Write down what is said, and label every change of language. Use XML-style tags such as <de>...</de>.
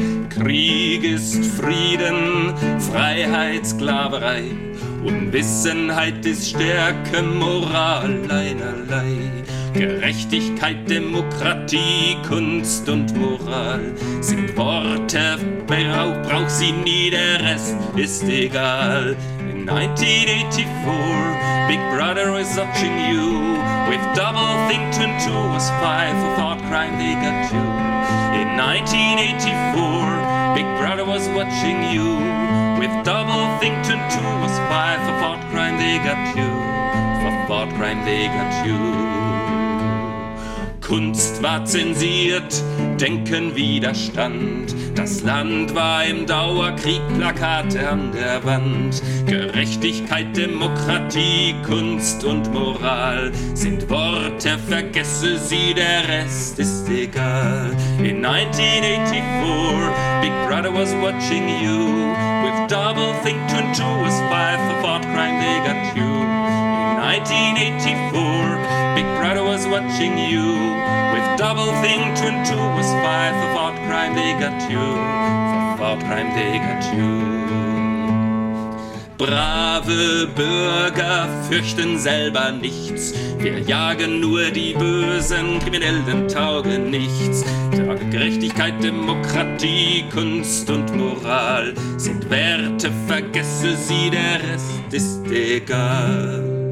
<de>Krieg ist Frieden, Freiheit, Sklaverei. Unwissenheit ist Stärke, Moral einerlei. Gerechtigkeit, Demokratie, Kunst und Moral sind Worte, brauch sie nie, der Rest ist egal.</de> <en>In 1984, Big Brother is watching you. With double think turned two was five, for thought crime they got you. In 1984, Big Brother was watching you. With double think turned two was five, for thought crime they got you. For thought crime they got you.</en> <de>Kunst war zensiert, Denken Widerstand. Das Land war im Dauerkrieg, Plakate an der Wand. Gerechtigkeit, Demokratie, Kunst und Moral sind Worte, vergesse sie, der Rest ist egal.</de> <en>In 1984, Big Brother was watching you. With double think two and two was five, for thought crime they got you. In 1984, Big Brother was watching you. With double thing two and two was five, for thought crime they got you. For thought crime they got you.</en> <de>Brave Bürger fürchten selber nichts. Wir jagen nur die bösen Kriminellen, tauge nichts. Tage Gerechtigkeit, Demokratie, Kunst und Moral sind Werte, vergesse sie, der Rest ist egal.</de>